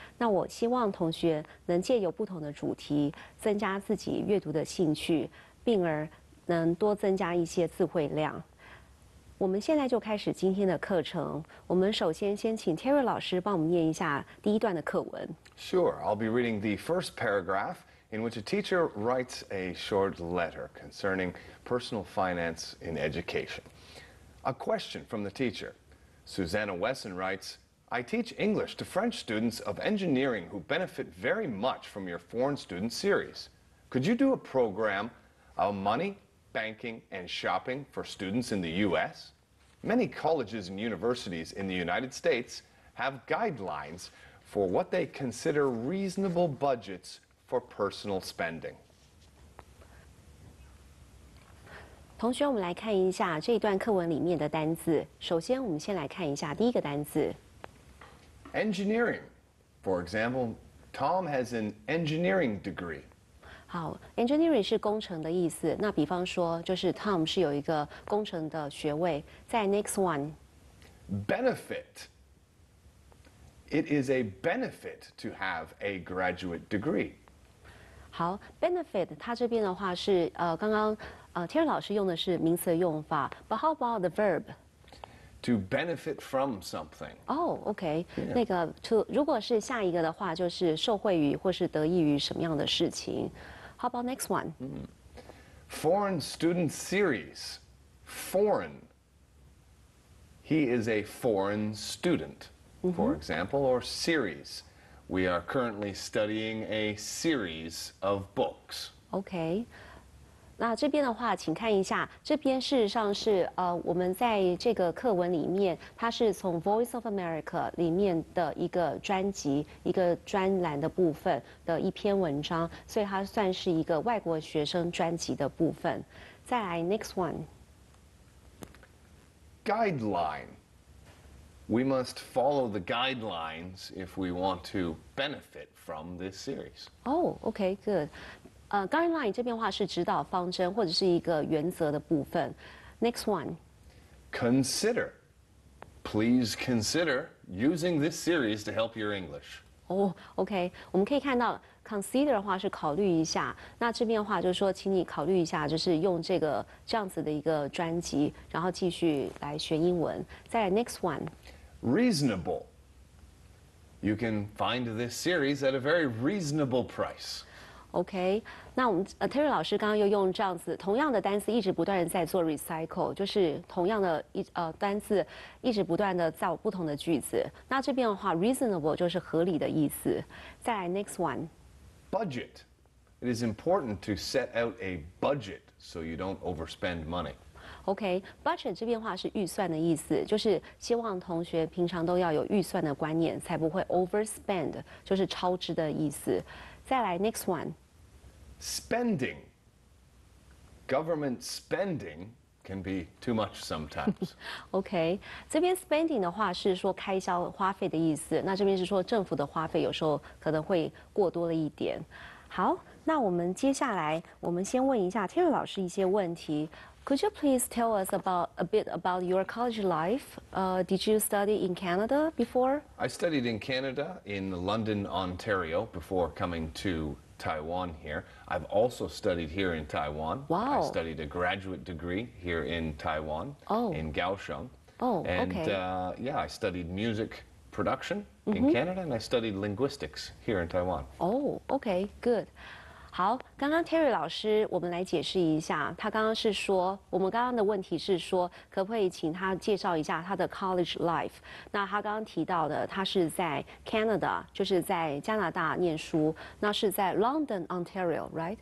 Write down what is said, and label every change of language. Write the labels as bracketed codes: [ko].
[zh] 那我希望同学能借由不同的主题增加自己阅读的兴趣，并而能多增加一些字彙量。我们现在就开始今天的课程。我们首先先请 Terry 老师帮我们念一下第一段的课文。 [en] Sure, I'll be reading the first paragraph in which a teacher writes a short letter concerning personal finance in education. A question from the teacher. Susanna Wesson writes, I teach English to French students of engineering who benefit very much from your foreign student series. Could you do a program of money? Banking and shopping for students in the U.S. Many colleges and universities in the United States have guidelines for what they consider reasonable budgets for personal spending. [zh] 同学，我们来看一下这一段课文里面的单字。首先，我们先来看一下第一个单字。 [en] Engineering. For example, Tom has an engineering degree. [zh] 好 ，engineering 是工程的意思。那比方说，就是 Tom 是有一个工程的学位。在 [en] next one， benefit， it is a benefit to have a graduate degree。 [zh] 好 ，benefit， 它这边的话是刚刚Terry 老师用的是名词的用法。 [en] But how about the verb？ to benefit from something. Oh, okay. Yeah. [zh] 那个 to 如果是下一个的话，就是受惠于或是得益于什么样的事情。 [en] How about next one?、Mm-hmm. Foreign student series. Foreign. He is a foreign student, for、mm-hmm. example, or series. We are currently studying a series of books. Okay. [zh] 那这边的话请看一下这边事实上是我们在这个课文里面它是从 Voice of America 里面的一个专辑一个专栏的部分的一篇文章所以它算是一个外国学生专辑的部分再来 [en] next one guideline we must follow the guidelines if we want to benefit from this series oh okay good [zh] guideline 这边的话是指导方针或者是一个原则的部分 [en] next one consider please consider using this series to help your English oh okay [zh] 我们可以看到 consider 的话是考虑一下那这边的话就是说请你考虑一下就是用这个这样子的一个专辑然后继续来学英文再来 [en] next one reasonable you can find this series at a very reasonable price [zh] OK, 那我们Terry 老师刚刚又用这样子同样的单词一直不断的在做 recycle, 就是同样的单词一直不断的造不同的句子。那这边的话 reasonable 就是合理的意思。再来 [en] next one. Budget. It is important to set out a budget so you don't overspend money. [zh] OK, budget 这边话是预算的意思就是希望同学平常都要有预算的观念才不会 [en] overspend, [zh] 就是超支的意思。再来 [en] next one. Spending. Government spending can be too much sometimes. [zh] OK, 这边 spending 的话是说开销花费的意思那这边是说政府的花费有时候可能会过多了一点。好那我们接下来我们先问一下 Terry 老师一些问题。 [en] Could you please tell us a bit about your college life? Did you study in Canada before? I studied in Canada, in London, Ontario, before coming to Taiwan here. I've also studied here in Taiwan. Wow. I studied a graduate degree here in Taiwan, in Kaohsiung. I studied music production in Canada, and I studied linguistics here in Taiwan. Oh, okay, good. [zh] 好刚刚 Terry 老师我们来解释一下他刚刚是说我们刚刚的问题是说可不可以请他介绍一下他的 college life 那他刚刚提到的他是在 Canada 就是在加拿大念书那是在 London, Ontario, [en] right?